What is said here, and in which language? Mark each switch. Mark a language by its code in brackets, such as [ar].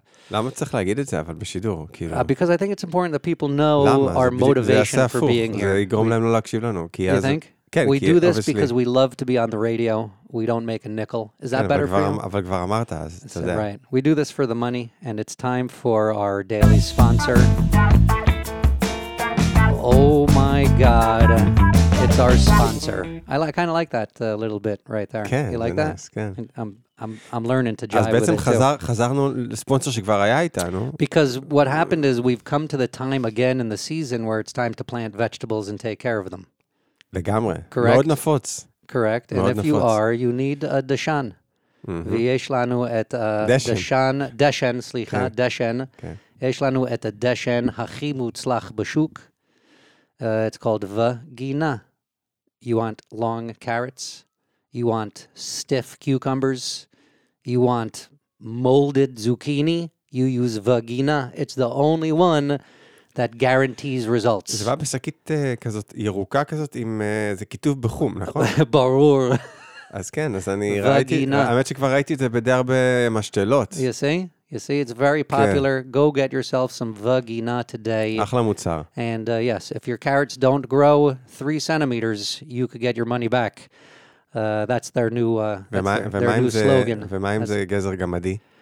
[he] למה צריך להגיד את זה, אבל בשידור? [en] Because I think it's important that people know our motivation for being here. [he] זה יגרום להם לא להקשיב לנו. [en] You think? כן, we do this obviously. Because we love to be on the radio. We don't make a nickel. Is that better for you? [he] אבל כבר אמרת, אז אתה יודע. [en] Right. We do this for the money, and it's time for our daily sponsor. Oh my God. It's our sponsor. I kind of like that a little bit right there. [he] כן, [en] you like nice, that? [he] כן. [en] I'm learning to jive with it. [he] אז בעצם חזרנו לספונסר שכבר היה איתנו. [en] Because what happened is we've come to the time again in the season where it's time to plant vegetables and take care of them. [he] לגמרי. Correct. מאוד נפוץ. [en] Correct. And if you are, you need a דשן. [he] ויש לנו את דשן, דשן, סליחה, דשן. יש לנו את הדשן הכי מוצלח בשוק. [en] It's called Vagina. You want long carrots. You want stiff cucumbers. You want molded zucchini. You use Vagina. It's the only one that guarantees results. [he] זה בא בסקית כזאת, ירוקה כזאת, עם זה כיתוב בחום, נכון? ברור. אז כן, אז אני ראיתי, האמת שכבר ראיתי את זה בדי הרבה משתלות. [en] You see? You see, it's very popular. Yeah. Go get yourself some Vagina today. [he] אחלה מוצר. [en] And yes, if your carrots don't grow 3 centimeters, you could get your money back. That's their new, slogan. [he] ומה אם זה גזר גמדי?